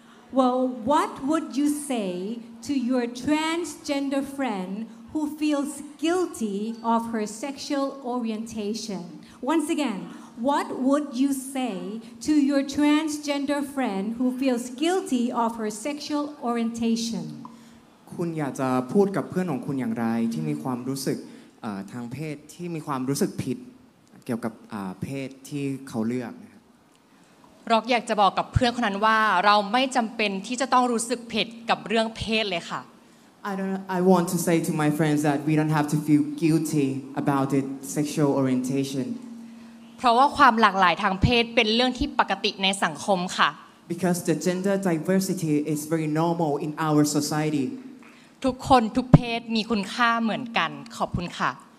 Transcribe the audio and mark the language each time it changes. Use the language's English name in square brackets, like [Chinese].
[English] Well, what would you say to your transgender friend who feels guilty of her sexual orientation? Once again, what would you say to your transgender friend who feels guilty of her sexual orientation? [Thai] คุณอยากจะพูดกับเพื่อนของคุณอย่างไรที่มีความรู้สึกทางเพศที่มีความรู้สึกผิดเกี่ยวกับเพศที่เขาเลือกนะครับ ร็อกอยากจะบอกกับเพื่อนคนนั้นว่าเราไม่จำเป็นที่จะต้องรู้สึกผิดกับเรื่องเพศเลยค่ะ [English] I want to say to my friends that we don't have to feel guilty about it sexual orientation. [Thai] เพราะว่าความหลากหลายทางเพศเป็นเรื่องที่ปกติในสังคมค่ะ [English] Because the gender diversity is very normal in our society. [Thai] ทุกคนทุกเพศมีคุณค่าเหมือนกันขอบคุณค่ะ